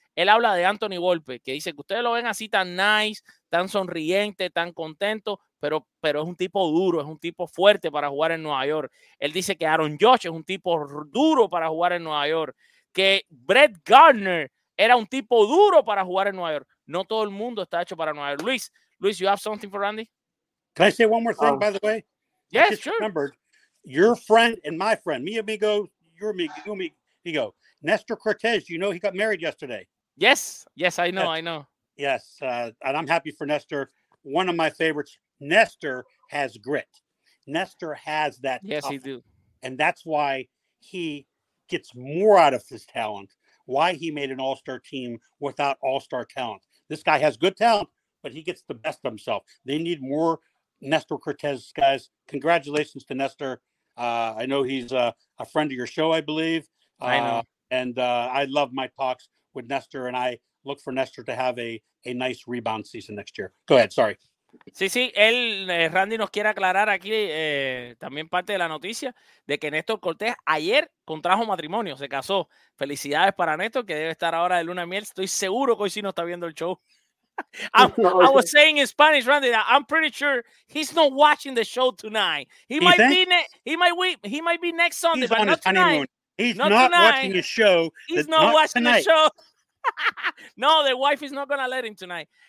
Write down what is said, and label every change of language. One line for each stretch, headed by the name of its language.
Spanish: Él habla de Anthony Volpe, que dice que ustedes lo ven así tan nice, tan sonriente, tan contento, pero es un tipo duro, es un tipo fuerte para jugar en Nueva York. Él dice que Aaron Judge es un tipo duro para jugar en Nueva York, que Brett Gardner era un tipo duro para jugar en Nueva York. No todo el mundo está hecho para Nueva York.
English: Luis, you have something for Randy? Can I say one more thing, by the way? Yes, sure. Remembered, your friend and my friend,
Spanish: mi amigo,
English: your amigo, you amigo, Nestor Cortez, you know he got married yesterday. Yes, I know, yes. I know. Yes, and I'm happy for Nestor. One of my favorites. Nestor has grit. Nestor has that. Yes, he do. And that's why he gets more out of his talent, why he made an all-star team without all-star talent. This guy has good talent, but he gets the best of himself. They need more Nestor Cortez guys. Congratulations to Nestor. I know he's a friend of your show, I believe. I know. And I love my talks with Nestor, and I look for Nestor to have a nice rebound season next year. Go ahead. Sorry.
Spanish: Sí, él, Randy, nos quiere aclarar aquí también parte de la noticia de que Nestor Cortez ayer contrajo matrimonio, se casó. Felicidades para Nestor, que debe estar ahora de luna de miel. Estoy seguro que hoy sí no está viendo el show.
English: I was saying in Spanish, Randy, that I'm pretty sure he's not watching the show tonight. He might be next Sunday, he's but not tonight. Honeymoon. He's not watching the show. He's not watching tonight. The show. No, the wife is not going to let him tonight.